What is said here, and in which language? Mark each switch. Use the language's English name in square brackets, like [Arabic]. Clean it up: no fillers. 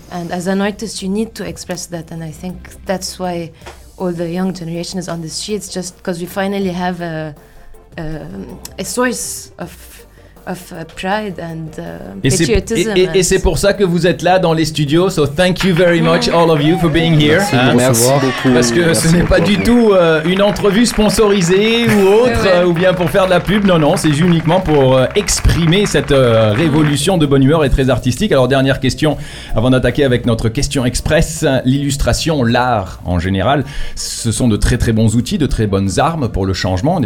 [English] And as an artist, you need to express that. And I think that's why all the young generation is on the streets, just because we finally have a source of pride and patriotism. [French] Et c'est pour ça que vous êtes là dans les studios. [English] So thank you very much, all of you, for being here. [French] Merci, merci beaucoup. Parce que merci ce n'est pas du tout une entrevue sponsorisée ou autre, ouais. Ou bien pour faire de la pub. Non, non, c'est uniquement pour exprimer cette révolution de bonne humeur et très artistique. Alors, dernière question, avant d'attaquer avec notre question express. L'illustration, l'art en général, ce sont de très très bons outils, de très bonnes armes pour le changement.